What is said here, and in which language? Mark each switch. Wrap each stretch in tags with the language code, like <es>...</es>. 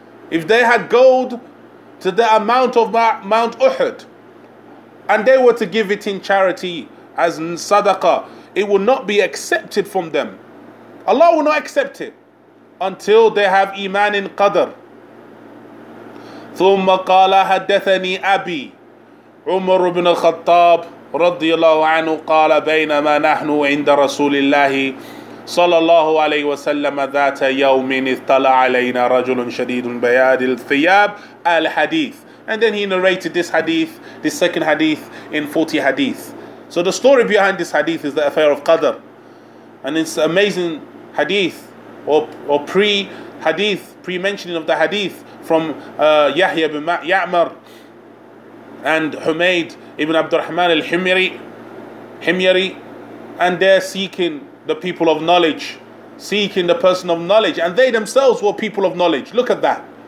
<en>If they had gold to the amount of Mount Uhud, and they were to give it in charity as in sadaqah, it would not be accepted from them. Allah will not accept it until they have iman in qadr.</en> <ar>ثم قال حدثني أبي عمر بن الخطاب رضي الله عنه قال بينما نحن عند رسول الله صلى الله عليه وسلم ذات يوم اطلع علينا رجل شديد بياد الثياب الحديث.</ar> <en>And then he narrated this hadith, this second hadith in 40 hadith. So the story behind this hadith is the affair of Qadr. And it's an amazing hadith or pre-hadith, pre-mentioning of the hadith from Yahya ibn Ya'mar and Humayd ibn Abdurrahman al-Himyari, and they're seeking the people of knowledge, seeking the person of knowledge, and they themselves were people of knowledge. Look at that.</en>